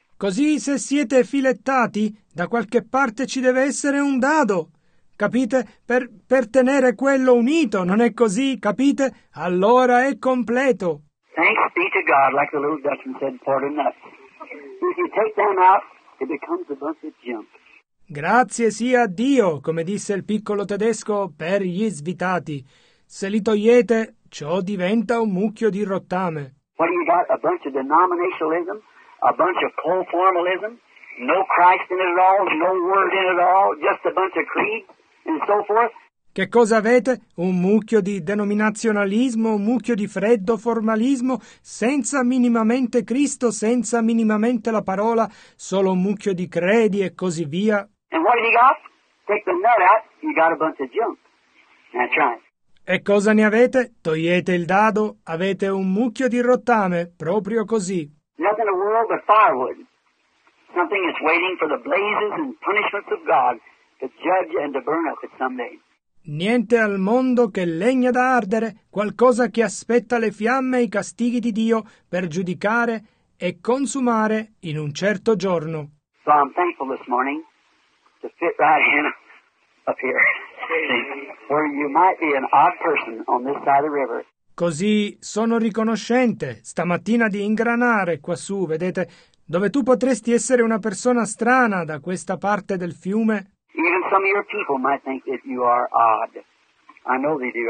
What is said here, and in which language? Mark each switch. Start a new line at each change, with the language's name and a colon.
Italian: Così se siete filettati, da qualche parte ci deve essere un dado. Capite? Per tenere quello unito, non è così? Capite? Allora è completo.
English: Thanks be to God, like the little Dutchman said, for the nuts. If you take them out, it becomes a bunch of junk.
Italian: Grazie sia Dio, come disse il piccolo tedesco, per gli svitati. Se li togliete, ciò diventa un mucchio di rottame.
English: What do you got? A bunch of denominationalism, a bunch of conformalism, no Christ in it at all, no word in it at all, just a bunch of creed and so forth.
Italian: Che cosa avete? Un mucchio di denominazionalismo, un mucchio di freddo formalismo, senza minimamente Cristo, senza minimamente la parola, solo un mucchio di credi e così via.
English: And what have you got? Take the nut out, you got a bunch of junk. That's right.
Italian: E cosa ne avete? Togliete il dado, avete un mucchio di rottame, proprio così.
English: Nothing in the world but firewood. Something is waiting for the blazes and punishments of God to judge and to burn up it someday.
Italian: Niente al mondo che legna da ardere, qualcosa che aspetta le fiamme e i castighi di Dio per giudicare e consumare in un certo giorno.
English: So I'm thankful this morning to fit right in up here. Where you might be an odd person on this side of the river.
Italian: Così sono riconoscente stamattina di ingranare quassù, vedete, dove tu potresti essere una persona strana da questa parte del fiume.
English: Even some of your people might think that you are odd. I know they do.